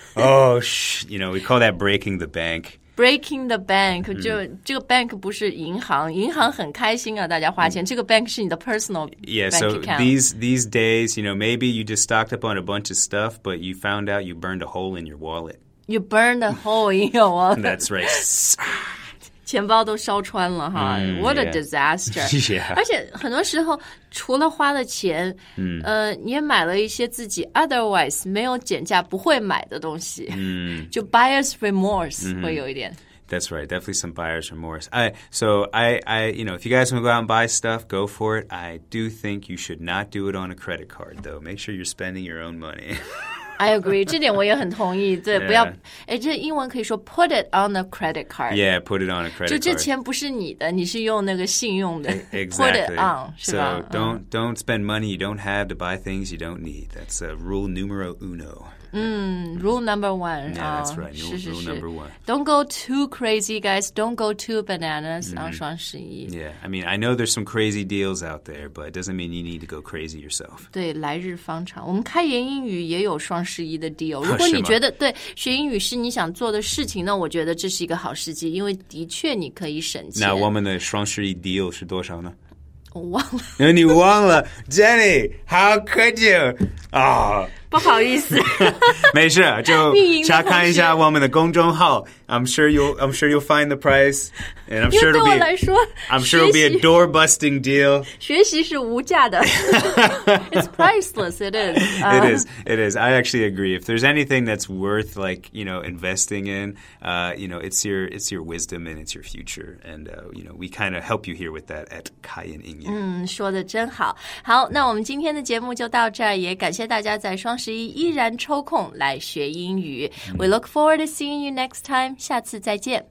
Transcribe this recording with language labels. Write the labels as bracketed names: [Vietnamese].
[English] Oh, you know, we call that breaking the bank. Breaking the bank. [Chinese] 就这个 bank 不是银行，银行很开心啊，大家花钱。这个 bank 是你的 personal bank account. [English] Yeah, so these days, you know, maybe you just stocked up on a bunch of stuff, but you found out you burned a hole in your wallet. You burned a hole in your wallet. That's right. [Chinese] 钱包都烧穿了哈。 What a disaster. [English] Yeah. [Chinese] 而且很多时候除了花了钱、你也买了一些自己 otherwise 没有减价不会买的东西、就 buyer's remorse、会有一点 [English] That's right, definitely some buyer's remorse So I, you know, if you guys want to go out and buy stuff, go for it I do think you should not do it on a credit card though Make sure you're spending your own money [Chinese] I agree, 这点我也很同意对、不要这英文可以说 put it on a credit card [English] Yeah, put it on a credit card [Chinese] 就这钱不是你的你是用那个信用的 [English] Exactly Put it on, 是吧 So don't spend money you don't have to buy things you don't need That's a rule numero uno rule number one Yeah,、that's right, rule number one Don't go too crazy, guys Don't go too bananas、on 双十一 Yeah, I mean, I know there's some crazy deals out there But it doesn't mean you need to go crazy yourself [Chinese] 对来日方长我们开言英语也有双十一的 deal 如果你觉得对学英语是你想做的事情那我觉得这是一个好时机因为的确你可以省钱那我们的双十一 deal 是多少呢我忘了 [English] 你忘了 Jenny How could you、 [Chinese] 不好意思 [English] 没事就查看一下我们的公众号 I'm sure you'll find the price and I'm sure it'll be [Chinese] 对我来说 [English] I'm sure it'll be a door busting deal 学习是无价的 It's priceless it is、 It is I actually agree if there's anything that's worth like you know investing in、you know it's your wisdom and it's your future and、you know we kind of help you here with that at Kai and Inya [Chinese] 说得真好好那我们今天的节目就到这儿也感谢大家在双双十一依然抽空来学英语。 We look forward to seeing you next time. 下次再见。